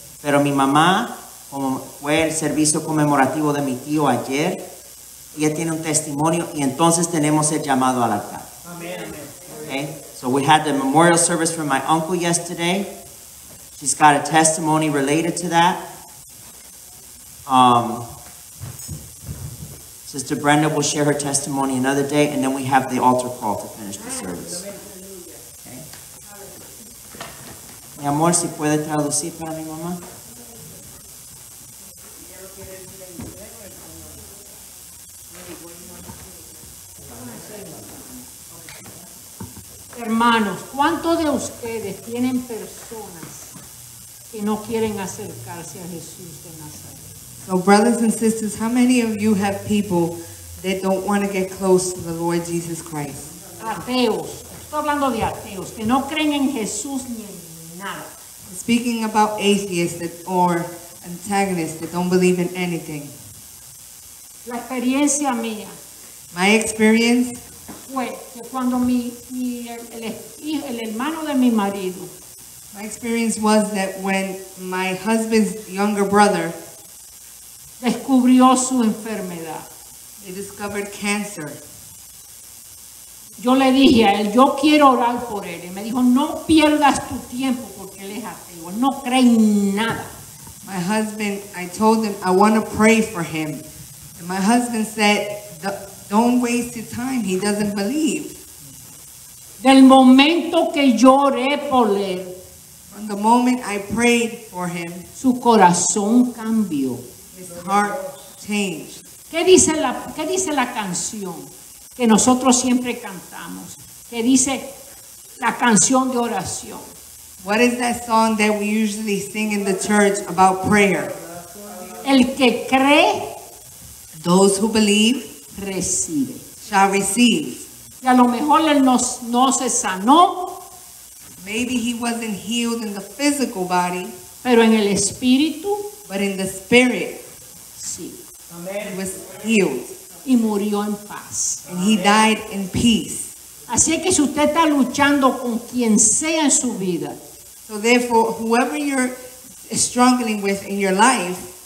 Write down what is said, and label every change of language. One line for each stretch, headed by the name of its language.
Spanish: Pero mi mamá, como fue el servicio conmemorativo de mi tío ayer, ella tiene un testimonio y entonces tenemos el llamado al altar.
English: Amen. Okay? So we had the memorial service for my uncle yesterday. She's got a testimony related to that. Sister Brenda will share her testimony another day, and then we have the altar call to finish the service. Okay.
Spanish: Mi amor, si puede traducir para mi mamá. Hermanos, ¿cuántos de ustedes tienen personas que no quieren acercarse a Jesús de Nazaret?
English: So brothers and sisters, how many of you have people that don't want to get close to the Lord Jesus Christ?
Spanish: Ateos. Estoy hablando de ateos que no creen en Jesús ni en nada.
English: Speaking about atheists that, or antagonists that don't believe in anything.
Spanish: La experiencia mía.
English: My experience.
Spanish: Fue que cuando el hermano de mi marido.
English: My experience was that when my husband's younger brother.
Spanish: Descubrió su enfermedad.
English: They discovered cancer.
Spanish: Yo le dije a él, yo quiero orar por él. Y me dijo, no pierdas tu tiempo porque él es ateo. No cree en nada.
English: My husband, I told him, I want to pray for him. And my husband said, don't waste your time. He doesn't believe.
Spanish: Del momento que yo oré por él.
English: From the moment I prayed for him.
Spanish: Su corazón cambió.
English: His heart changed.
Spanish: ¿Qué dice la canción que nosotros siempre cantamos? ¿Qué dice la canción de oración?
English: What is that song that we usually sing in the church about prayer?
Spanish: El que cree,
English: those who believe,
Spanish: recibe,
English: shall receive.
Spanish: Y a lo mejor él no se sanó.
English: Maybe he wasn't healed in the physical body.
Spanish: Pero en el espíritu.
English: But in the spirit.
Spanish: Sí.
English: He was healed.
Spanish: Y murió en paz.
English: And he died in peace.
Spanish: Así que si usted está luchando con quien sea en su vida.
English: So therefore, whoever you're struggling with in your life.